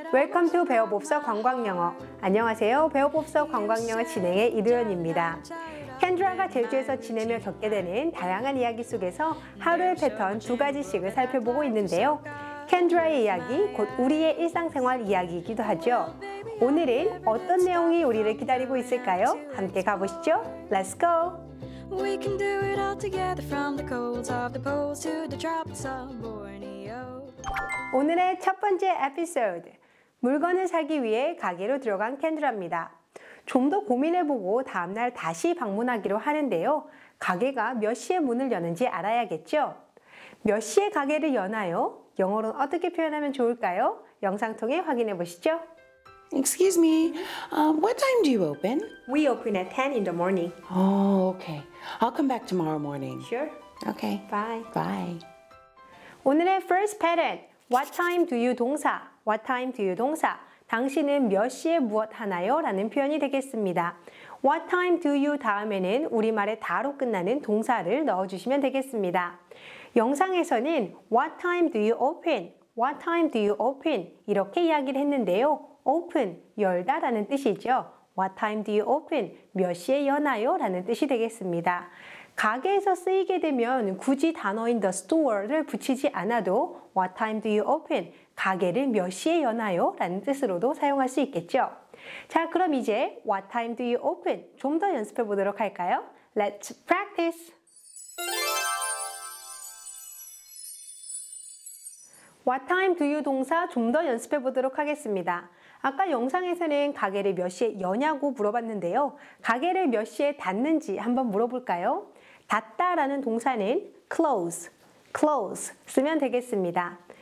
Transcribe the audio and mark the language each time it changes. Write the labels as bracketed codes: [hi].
[en] Welcome to [ko] 배워봅서 관광영어. 안녕하세요. 배워봅서 관광영어 진행의 이도연입니다. 켄드라가 제주에서 지내며 겪게 되는 다양한 이야기 속에서 하루의 패턴 두 가지씩을 살펴보고 있는데요. 켄드라의 이야기, 곧 우리의 일상생활 이야기이기도 하죠. 오늘은 어떤 내용이 우리를 기다리고 있을까요? 함께 가보시죠. [en] Let's go! We can do it all together from the colds of the poles to the tropics of Borneo. [ko] 오늘의 첫 번째 에피소드. 물건을 사기 위해 가게로 들어간 켄드라입니다. 좀 더 고민해보고 다음날 다시 방문하기로 하는데요. 가게가 몇 시에 문을 여는지 알아야겠죠? 몇 시에 가게를 여나요? 영어로는 어떻게 표현하면 좋을까요? 영상 통해 확인해 보시죠. [en] Excuse me, what time do you open? We open at 10 in the morning. Oh, okay. I'll come back tomorrow morning. Sure. Okay. Bye. Bye. [ko] 오늘의 [en] first pattern, what time do you 동사? What time do you 동사? [ko] 당신은 몇 시에 무엇 하나요? 라는 표현이 되겠습니다. [en] What time do you [ko] 다음에는 우리말의 다로 끝나는 동사를 넣어주시면 되겠습니다. 영상에서는 [en] What time do you open? What time do you open? [ko] 이렇게 이야기를 했는데요. Open, 열다 라는 뜻이죠. [en] What time do you open? [ko] 몇 시에 여나요? 라는 뜻이 되겠습니다. 가게에서 쓰이게 되면 굳이 단어인 the store를 붙이지 않아도 [en] What time do you open? [ko] 가게를 몇 시에 여나요? 라는 뜻으로도 사용할 수 있겠죠. 자, 그럼 이제 [en] What time do you open? [ko] 좀 더 연습해 보도록 할까요? [en] Let's practice! What time do you [ko] 동사 좀 더 연습해 보도록 하겠습니다. 아까 영상에서는 가게를 몇 시에 여냐고 물어봤는데요. 가게를 몇 시에 닫는지 한번 물어볼까요? 닫다 라는 동사는 close 쓰면 되겠습니다.